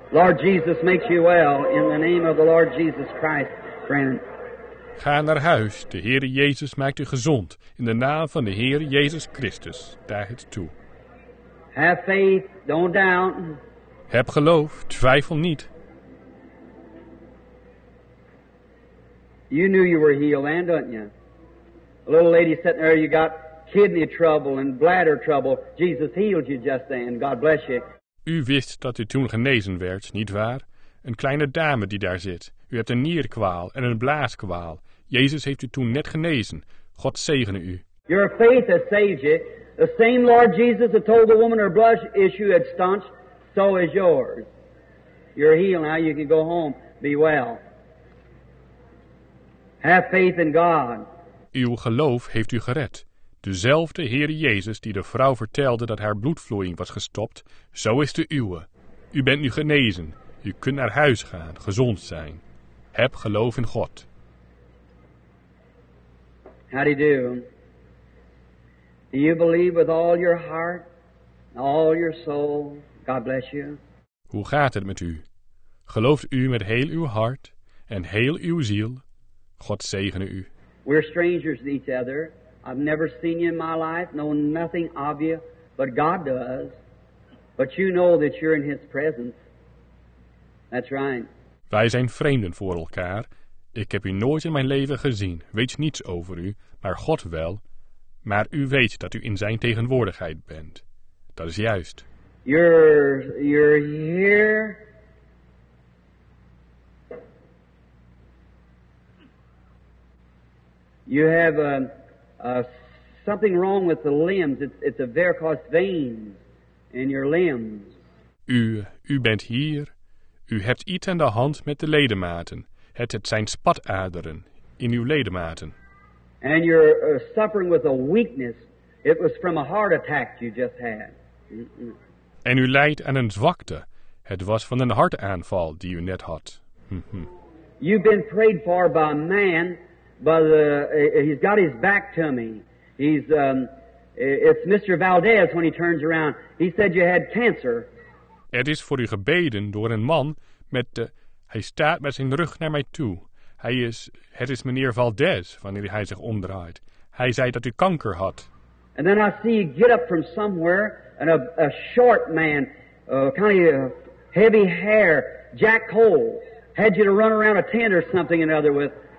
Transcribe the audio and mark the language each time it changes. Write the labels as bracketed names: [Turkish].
[English] Lord Jesus makes you well in the name of the Lord Jesus Christ, friend. [Dutch] Ga naar huis. De Heere Jezus maakt u gezond. In de naam van de Heer Jezus Christus. Daag het toe. [English] Have faith. Don't doubt. [Dutch] Heb geloof. Twijfel niet. [English] You knew you were healed then, don't you? A little lady sitting there, you got kidney trouble and bladder trouble. Jesus healed you just then. God bless you. [Dutch] U wist dat u toen genezen werd, niet waar? Een kleine dame die daar zit. U hebt een nierkwaal en een blaaskwaal. Jezus heeft u toen net genezen. God zegene u. [English] Your faith has saved you. The same Lord Jesus that told the woman her blood issue had staunched, so is yours. You're healed now. You can go home. Be well. Have faith in God. [Dutch] Uw geloof heeft u gered. Dezelfde Heer Jezus die de vrouw vertelde dat haar bloedvloeiing was gestopt, zo is de uwe. U bent nu genezen. U kunt naar huis gaan, gezond zijn. Heb geloof in God. [English] How do you do? Do you believe with all your heart, all your soul? God bless you. [Dutch] Hoe gaat het met u? Gelooft u met heel uw hart en heel uw ziel? God zegene u. [English] We're strangers to each other. I've never seen you in my life, know nothing of you, but God does. But you know that you're in His presence. That's right. [Dutch] Wij zijn vreemden voor elkaar. Ik heb u nooit in mijn leven gezien, weet niets over u, maar God wel. Maar u weet dat u in zijn tegenwoordigheid bent. Dat is juist. [English] You're here. You have something wrong with the limbs. It's a varicose vein in your limbs. [Dutch] U bent hier. U hebt iets aan de hand met de ledematen. Het zijn spataderen in uw ledematen. [English] And you're suffering with a weakness. It was from a heart attack you just had. [Dutch] En u lijdt aan een zwakte. Het was van een hartaanval die u net had. [English] You've been prayed for by a man. But he's got his back to me. It's Mr. Valdez when he turns around. He said you had cancer. [Dutch] Het is voor u gebeden door een man met de... Hij staat met zijn rug naar mij toe. Het is meneer Valdez wanneer hij zich omdraait. Hij zei dat u kanker had. [English] And then I see you get up from somewhere. And a short man, kind of heavy hair, Jack Cole. Had you to run around a tent or something or another with...